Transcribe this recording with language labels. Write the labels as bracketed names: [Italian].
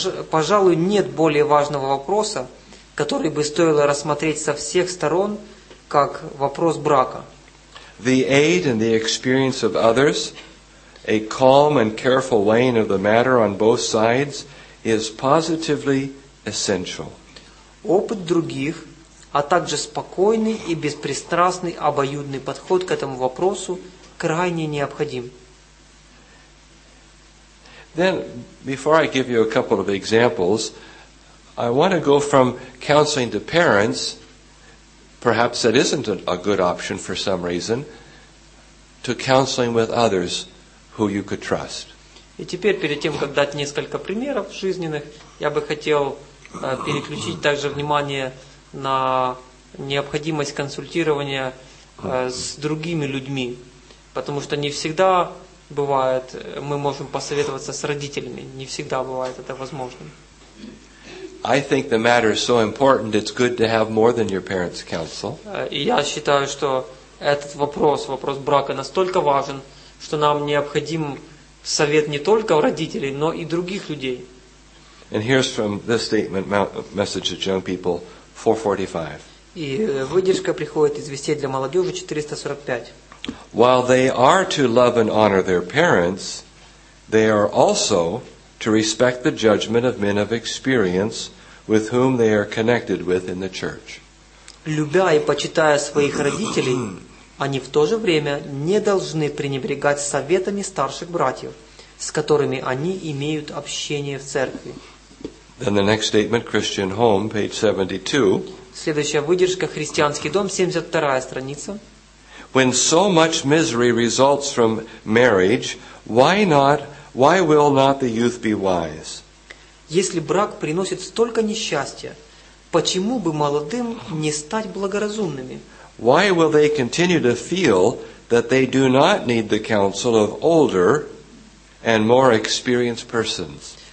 [Russian] Пожалуй, нет более важного вопроса, который бы стоило рассмотреть со всех сторон, как вопрос брака. [English] The aid and the experience of others, a calm and careful weighing of the matter on both sides, is positively essential. [Russian] Опыт других, а также спокойный и беспристрастный обоюдный подход к этому вопросу крайне необходим. [English] Then, before I give you a couple of examples, I want to go from counseling to parents. Perhaps that isn't a good option for some reason, to counseling with others who you could trust. [Russian] И теперь, перед тем, как дать несколько примеров жизненных, я бы хотел переключить также внимание на необходимость консультирования с другими людьми, потому что не всегда бывает, мы можем посоветоваться с родителями, не всегда бывает это возможным. [English] I think the matter is so important, it's good to have more than your parents' counsel. [Russian] Я считаю, что этот вопрос, вопрос брака, настолько важен, что нам необходим совет не только родителей, но и других людей. [English] And here's from this statement, message to young people, 445. [Russian] И выдержка приходит из «Вестей для молодежи» 445. [English] While they are to love and honor their parents, they are also to respect the judgment of men of experience with whom they are connected with in the church. [Russian] Любя и почитая своих родителей, они в то же время не должны пренебрегать советами старших братьев, с которыми они имеют общение в церкви. [English] Then the next statement, Christian Home, page 72. [Russian] Следующая выдержка, Христианский дом, 72-я страница. [English] When so much misery results from marriage, why will not the youth be wise? [Russian] Если брак приносит столько несчастья, почему бы молодым не стать благоразумными? [English] Why will they continue to feel that they do not need the counsel of older and more experienced persons?